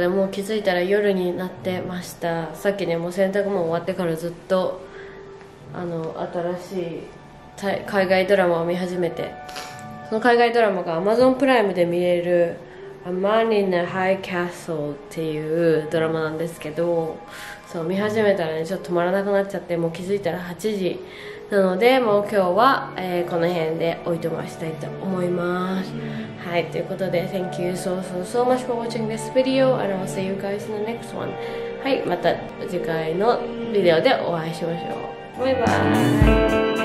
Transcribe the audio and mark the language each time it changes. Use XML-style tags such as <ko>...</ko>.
<ja>気づいたら夜になってました。さっきねもう洗濯も終わってからずっと新しい海外ドラマを見始めて、その海外ドラマが Amazon プライムで見れる A Man in a High Castle っていうドラマなんですけど、そう見始めたらねちょっと止まらなくなっちゃって、もう気づいたら8時なので、もう今日は、この辺でおいとましたいと思います。はい、ということで</ja> <en>Thank you so so so much for watching this video and I'll see you guys in the next one。</en> <ja>はい、また次回のビデオでお会いしましょう。バイバイ。</ja>